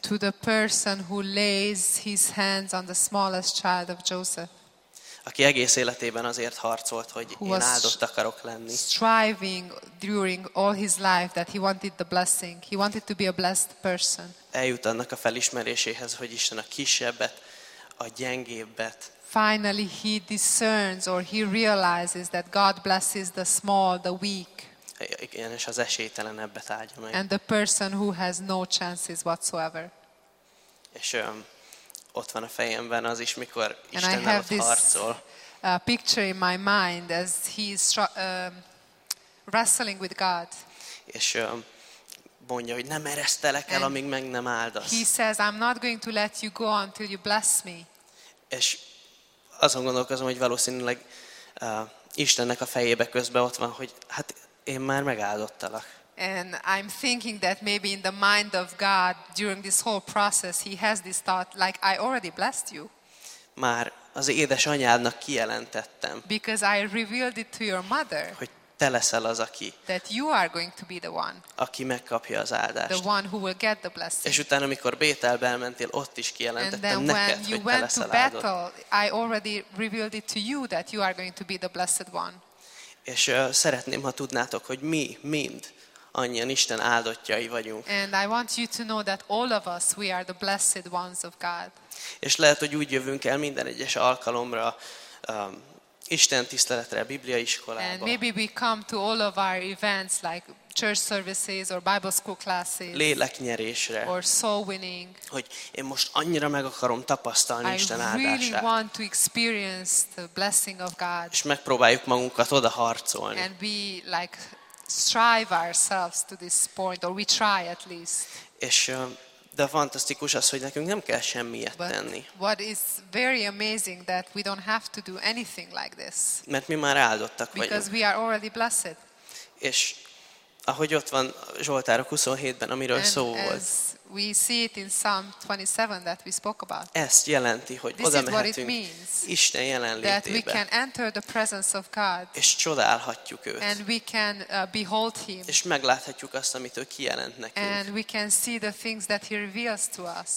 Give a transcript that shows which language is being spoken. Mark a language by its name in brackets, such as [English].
[English] To the person who lays his hands on the smallest child of Joseph. [Hungarian] Aki egész életében azért harcolt, hogy én áldott akarok lenni. [English] Striving during all his life that he wanted the blessing. He wanted to be a blessed person. [Hungarian] Eljut annak a felismeréséhez, hogy Isten a kisebbet, a gyengébbet. [English] Finally he discerns or he realizes that God blesses the small, the weak. [Hungarian] Igen, és az esélytelenebbet áldja meg. [English] And the person who has no chances whatsoever. [Hungarian] És ott van a fejemben az is, mikor Istennel ott harcol. [English] Picture in my mind as he is wrestling with God. [Hungarian] És mondja, hogy nem eresztelek el, amíg meg nem áldasz. [English] He says, I'm not going to let you go until you bless me. [Hungarian] És azon gondolkozom, hogy valószínűleg Istennek a fejébe közben ott van, hogy hát én már megáldottalak. [English] And I'm thinking that maybe in the mind of God during this whole process he has this thought like I already blessed you. [Hungarian] Már az édesanyádnak kijelentettem. [English] Because I revealed it to your mother. [Hungarian] Hogy te leszel az, aki. [English] That you are going to be the one. [Hungarian] Aki megkapja az áldást. [English] The one who will get the blessing. [Hungarian] És utána, amikor Bételbe elmentél, ott is kijelentettem neked, hogy te leszel áldott. [English] And then when you went to Bethel, I already revealed it to you that you are going to be the blessed one. [Hungarian] És szeretném, ha tudnátok, hogy mi mind annyian Isten áldottjai vagyunk. [English] And I want you to know that all of us we are the blessed ones of God. [Hungarian] És lehet, hogy úgy jövünk el minden egyes alkalomra, Isten tiszteletre, Bibliaiskolába. [English] And maybe we come to all of our events like church services or Bible school classes. [Hungarian] Léleknyerésre. [English] Or soul winning. [Hungarian] Hogy én most annyira meg akarom tapasztalni Isten áldását. [English] I really want to experience the blessing of God. [Hungarian] És megpróbáljuk magunkat oda harcolni. [English] And we like strive ourselves to this point, or we try at least. [Hungarian] És de fantasztikus az, hogy nekünk nem kell semmiet tenni. [English] What is very amazing that we don't have to do anything like this. [Hungarian] Mert mi már áldottak vagyunk. [English] Because we are already blessed. [Hungarian] És Ahogy ott van Zsoltárok 27-ben, amiről [English] and [Hungarian] szó volt. [English] We see it in Psalm 27 that we spoke about. [Hungarian] Ezt jelenti, hogy [English] this [Hungarian] oda mehetünk Isten jelenlétébe. [English] That we can enter the presence of God. [Hungarian] És csodálhatjuk őt. [English] And we can behold him. [Hungarian] És megláthatjuk azt, amit ő kijelent nekünk. [English] And we can see the things that he reveals to us.